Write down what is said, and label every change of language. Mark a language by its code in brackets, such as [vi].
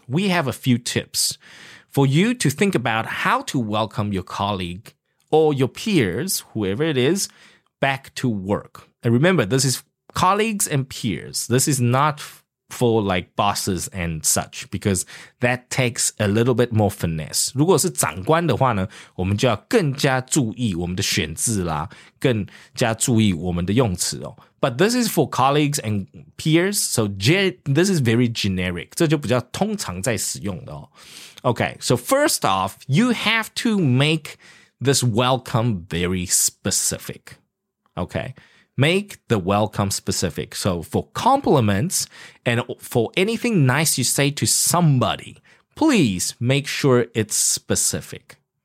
[en] We have a few tips for you to think about how to welcome your colleague or your peers, whoever it is, back to work. And remember, this is colleagues and peers. This is notfor like bosses and such, because that takes a little bit more finesse. [zh] 如果是长官的话呢，我们就要更加注意我们的选字啦，更加注意我们的用词哦。 [en] But this is for colleagues and peers, so this is very generic. [zh] 这就比较通常在使用的哦。 [en] Okay, so first off, you have to make this welcome very specific. Okay, make the welcome specific. So for compliments and for anything nice you say to somebody, please make sure it's specific.